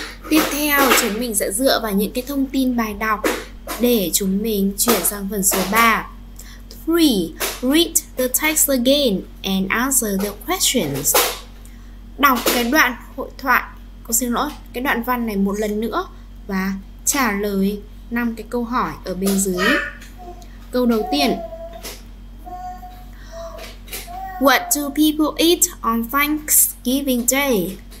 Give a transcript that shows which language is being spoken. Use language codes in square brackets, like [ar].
[vi] Tiếp theo, chúng mình sẽ dựa vào những cái thông tin bài đọc để chúng mình chuyển sang phần số 3. 3. [en] Read the text again and answer the questions. [vi] Đọc cái đoạn hội thoại, cô xin lỗi, cái đoạn văn này một lần nữa và trả lời 5 cái câu hỏi ở bên dưới. Câu đầu tiên. [en] What do people eat on Thanksgiving Day?